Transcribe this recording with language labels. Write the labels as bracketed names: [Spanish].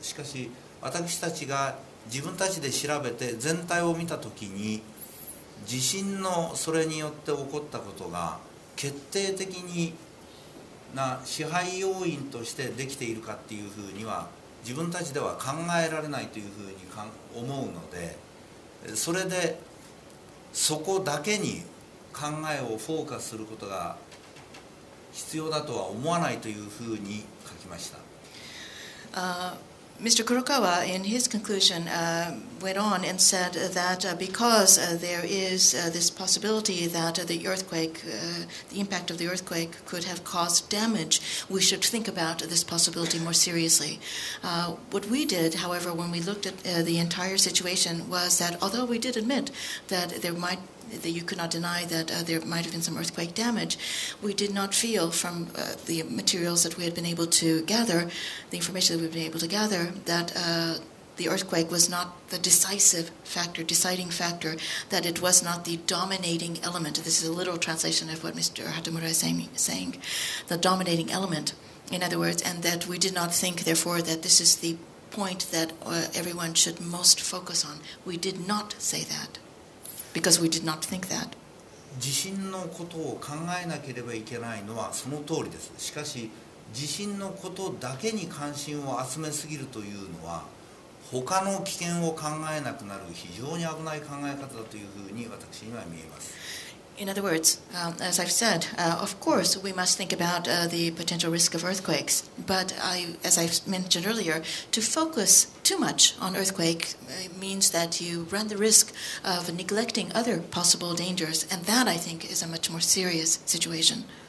[Japanese] しかし私たちが自分たちで調べて全体を見たときに地震のそれによって起こったことが決定的にな支配要因としてできているかっていうふうには自分たちでは考えられないというふうに思うので、それでそこだけに考えをフォーカスすることが必要だとは思わないというふうに書きました。 [English] Mr. Kurokawa, in his conclusion, went on and said that because there is this possibility that the earthquake, the impact of the earthquake could have caused damage, we should think about this possibility more seriously. What we did, however, when we looked at the entire situation was that although we did admit that there might that you could not deny that there might have been some earthquake damage, we did not feel from the materials that we had been able to gather, the information that we had been able to gather, that the earthquake was not the decisive factor, deciding factor, that it was not the dominating element. This is a literal translation of what Mr. Hatamura is saying, the dominating element, in other words, and that we did not think, therefore, that this is the point that everyone should most focus on. We did not say that. Because we did not think that. [Japanese] 地震のことを考えなければいけないのはその通りです。しかし、地震のことだけに関心を集めすぎるというのは、他の危険を考えなくなる非常に危ない考え方だというふうに私には見えます。 [English] In other words, as I've said, of course we must think about the potential risk of earthquakes. But I, as I've mentioned earlier, to focus too much on earthquake means that you run the risk of neglecting other possible dangers. And that, I think, is a much more serious situation.